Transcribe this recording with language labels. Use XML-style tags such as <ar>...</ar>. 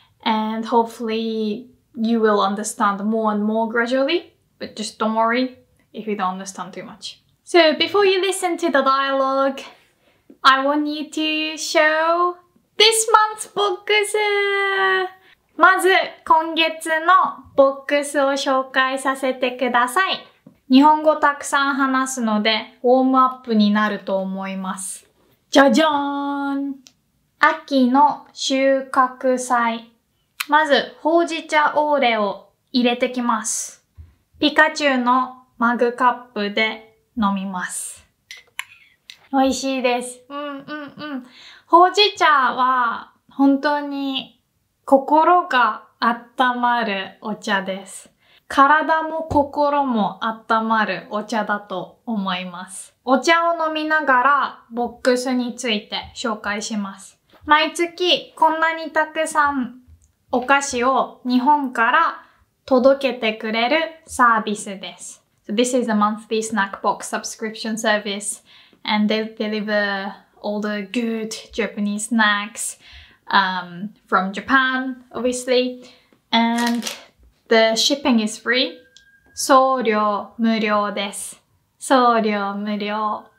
<en>And hopefully you will understand more and more gradually. But just don't worry if you don't understand too much. So before you listen to the dialogue, I want you to show this month's books!</en> <ja>まず今月のボックスを紹介させてください。日本語たくさん話すのでウォームアップになると思います。じゃじゃーん。秋の収穫祭。まずほうじ茶オーレを入れてきます。ピカチュウのマグカップで飲みます。美味しいです。ほうじ茶は本当に心が温まるお茶です。体も心も温まるお茶だと思います。お茶を飲みながらボックスについて紹介します。毎月こんなにたくさんお菓子を日本から届けてくれるサービスです。</ja> <en>So、this is a monthly snack box subscription service and they deliver all the good Japanese snacks. From Japan, obviously, and the shipping is free.</en> <ja>送料無料です。送料無料。</ja>